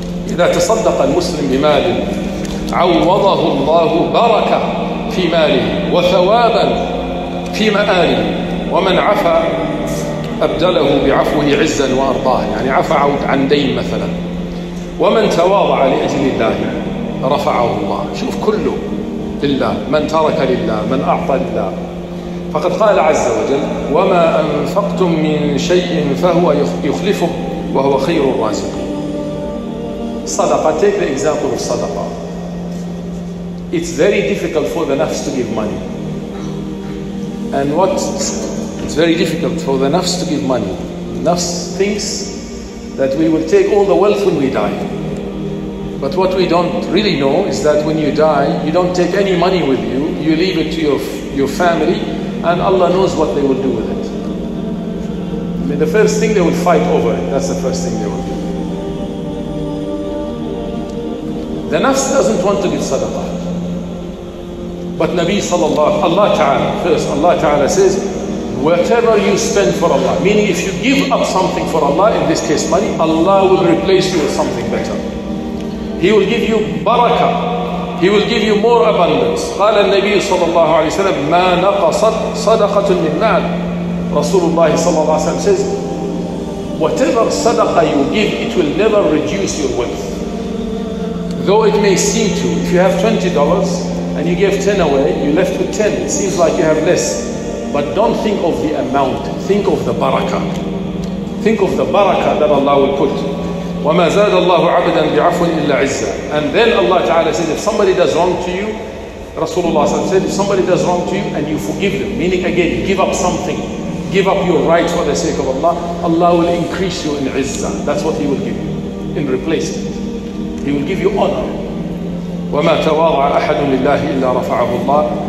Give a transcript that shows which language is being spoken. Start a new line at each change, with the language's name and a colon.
Arabic: إذا تصدق المسلم بمال عوضه الله بركة في ماله وثوابا في مآله، ومن عفا أبدله بعفوه عزا وأرضاه، يعني عفا عن دين مثلا، ومن تواضع لأجل الله رفعه الله. شوف كله لله، من ترك لله، من أعطى لله. فقد قال عز وجل: وما أنفقتم من شيء فهو يخلفه وهو خير الرازقين.
English: صدقة، take the example of صدقة. It's very difficult for the nafs to give money. And what? It's very difficult for the nafs to give money. Nafs thinks that we will take all the wealth when we die. But what we don't really know is that when you die, you don't take any money with you. You leave it to your family, and Allah knows what they will do with it. I mean, the first thing they will fight over it. That's the first thing they will do. The nafs doesn't want to give sadaqah. But Nabi sallallahu alaihi wasallam, Allah Ta'ala says, whatever you spend for Allah, meaning if you give up something for Allah, in this case money, Allah will replace you with something better. He will give you barakah. He will give you more abundance.
Arabic: قال النبي صلى الله عليه وسلم: ما نقصت صدقة من مال. رسول الله صلى الله عليه وسلم
English: says, whatever sadaqah you give, it will never reduce your wealth. Though it may seem to, if you have $20 and you gave 10 away, you left with 10, it seems like you have less. But don't think of the amount, think of the barakah. Think of the barakah that Allah will put.
Arabic: وما زاد الله عبدا بعفو إلا عزة.
English: And then Allah Ta'ala says, if somebody does wrong to you, Rasulullah said, if somebody does wrong to you and you forgive them, meaning again, give up something, give up your rights for the sake of Allah, Allah will increase you in عزة. That's what He will give you in replacement. He will give you honor.
Arabic: وما تواضع أحد لله إلا رفعه الله.